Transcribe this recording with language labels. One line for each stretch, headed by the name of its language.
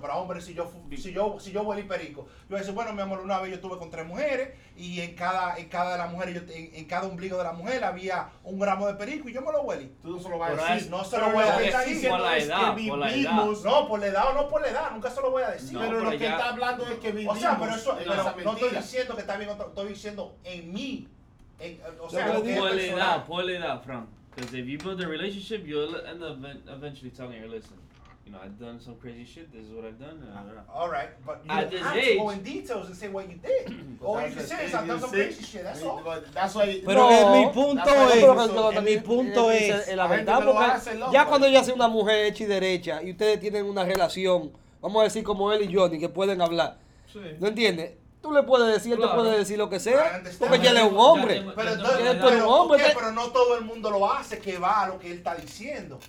Spanish: Pero hombre, si yo huelí perico, yo voy a decir, bueno, mi amor, una vez yo estuve con tres mujeres y en cada de las mujeres, en cada ombligo de la mujer había un gramo de perico y yo me lo huelí. Tú no se lo vas a decir. No se lo voy a decir. Por la edad. No, por la edad o no por la edad. Nunca se lo voy a decir. Pero lo que está hablando es que vivimos. O sea, pero eso, no estoy diciendo que está bien, estoy diciendo en mí. O sea, por la edad, Frank.
English: Because if you build a relationship, you'll end up eventually telling her, listen, you know, I've done some crazy shit. This is what I've done. All right. But you at this have age, to go in details and say what you did. All you can say is I've done some crazy shit. That's all. But that's why.
Spanish: Pero no, mi punto es la verdad, porque ya cuando ella sea una mujer hecha y derecha y ustedes tienen una relación, vamos a decir como él y Johnny, que pueden hablar. Sí. ¿No entiendes? Tú le puedes decir, claro. Él te puede decir lo que sea, porque ya él es un hombre. Pero no todo el mundo lo hace, que va a lo que él está diciendo.